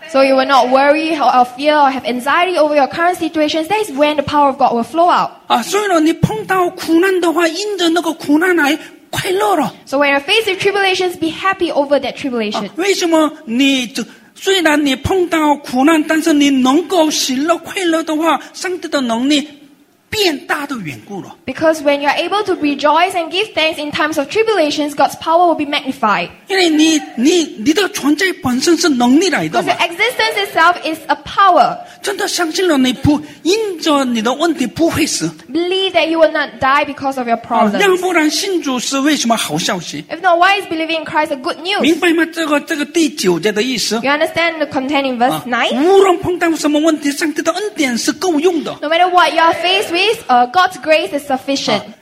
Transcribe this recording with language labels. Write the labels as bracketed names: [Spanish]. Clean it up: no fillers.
[English] So you will not worry or fear or have anxiety over your current situations. That is when the power of God will flow out. [Chinese] 所以呢，你碰到苦难的话，因着那个苦难来快乐了。 [English] So when you're faced with tribulations, be happy over that tribulation. [Chinese] 为什么你虽然你碰到苦难，但是你能够喜乐快乐的话，上帝的能力。变大的缘故了 [English] Because when you are able to rejoice and give thanks in times of tribulations, God's power will be magnified. [Chinese] 因为你的存在本身是能力来的 [English] Because your existence itself is a power. [Chinese] 真的相信了你不因着你的问题不会死 [English] Believe that you will not die because of your problems. [Chinese] 要不然信主是为什么好消息 [English] If not, why is believing in Christ a good news? [Chinese] 明白吗?这个第九节的意思 [English] You understand the content in verse 9? [Chinese] 无论碰到什么问题, 上帝的恩典是够用的 [English] No matter what you are faced with, God's grace is sufficient.